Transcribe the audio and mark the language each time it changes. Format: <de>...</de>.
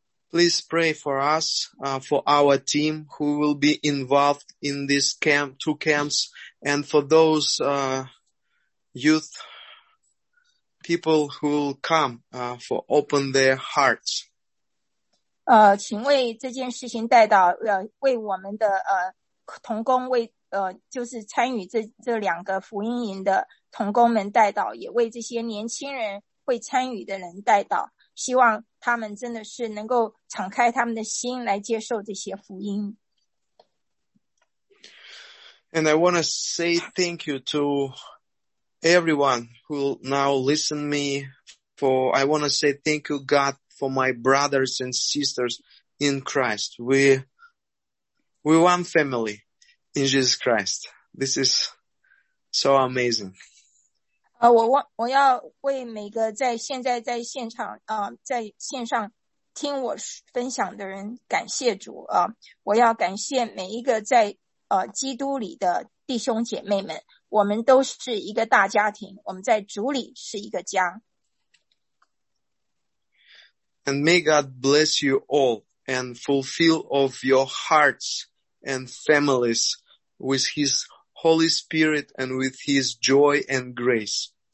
<en>Please pray for us, for our team who will be involved in this camp, 2 camps, and for those youth people who will come, for open their hearts.</en> <zh>请为这件事情代祷，为我们的同工，为就是参与这两个福音营的同工们带导，也为这些年轻人会参与的人带导，希望他们真的是能够敞开他们的心来接受这些福音。</zh> <en>And I want to say thank you to everyone who now listen me I want to say thank you God for my brothers and sisters in Christ. We one family in Jesus Christ. This is so amazing.</en> <zh>我要为每个在现在在现场在线上听我分享的人感谢主啊，我要感谢每一个在基督里的弟兄姐妹们，我们都是一个大家庭，我们在主里是一个家。</zh> <en>And may God bless you all and fulfill of your hearts and families with His Holy Spirit and with His joy and grace.</en>